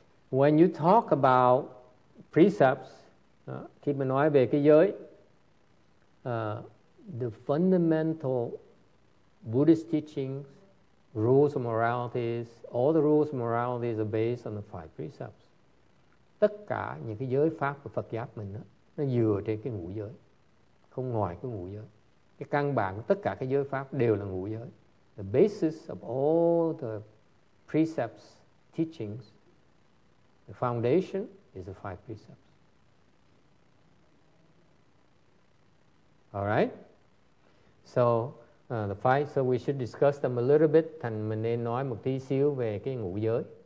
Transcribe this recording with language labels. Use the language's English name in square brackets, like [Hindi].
[English] When you talk about precepts, [Vietnamese] khi mà nói về cái giới, [English] the fundamental Buddhist teachings, rules of moralities, all the rules of moralities are based on the five precepts. [Vietnamese] Tất cả những cái giới pháp của Phật giáo mình đó, nó dựa trên cái ngũ giới, không ngoài cái ngũ giới. Cái căn bản của tất cả cái giới pháp đều là ngũ giới. [English] The basis of all the precepts, teachings, the foundation is the five precepts. All right? So the five, so we should discuss them a little bit. [Vietnamese] Thành mình nên nói một tí xíu về cái ngũ giới.